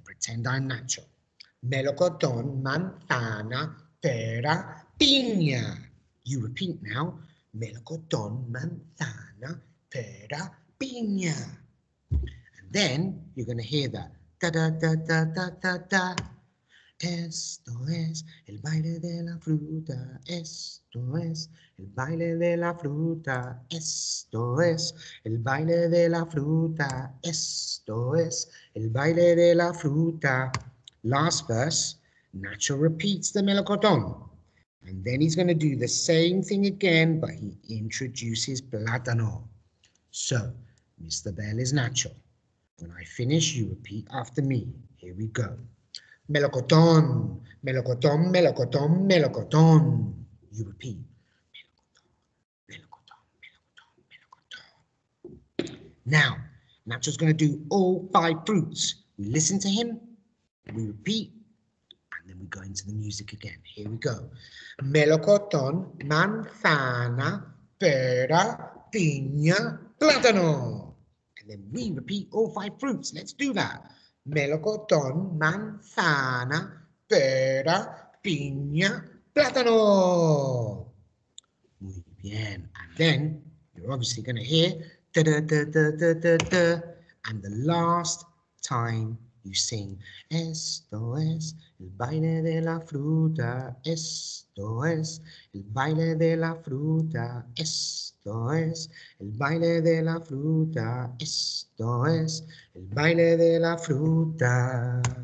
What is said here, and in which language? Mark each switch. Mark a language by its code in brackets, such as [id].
[en] Pretend I'm Nacho. [es] Melocotón, manzana, pera, piña. [en] You repeat now. [es] Melocotón, manzana, pera, piña. [en] And then you're going to hear that. Da da da da da da da. [es] Esto es el baile de la fruta. Esto es el baile de la fruta. Esto es el baile de la fruta. Esto es el baile de la fruta. [en] Last verse, Nacho repeats the melocotón. And then he's going to do the same thing again, but he introduces plátano. So, Mr. Bell is Nacho. When I finish, you repeat after me. Here we go. [es] Melocotón, melocotón, melocotón, melocotón. [en] You repeat. [es] Melocotón, melocotón, melocotón, melocotón. [en] Now, Nacho's going to do all five fruits. We listen to him, we repeat, and then we go into the music again. Here we go. [es] Melocotón, manzana, pera, piña, plátano. [en] And then we repeat all five fruits. Let's do that. [es] Melocotón, manzana, pera, piña, plátano. Muy bien. [en] And then you're obviously going to hear da da da da da da da. And the last time you sing. [es] Esto es el baile de la fruta. Esto es el baile de la fruta. Esto es el baile de la fruta. Esto es el baile de la fruta.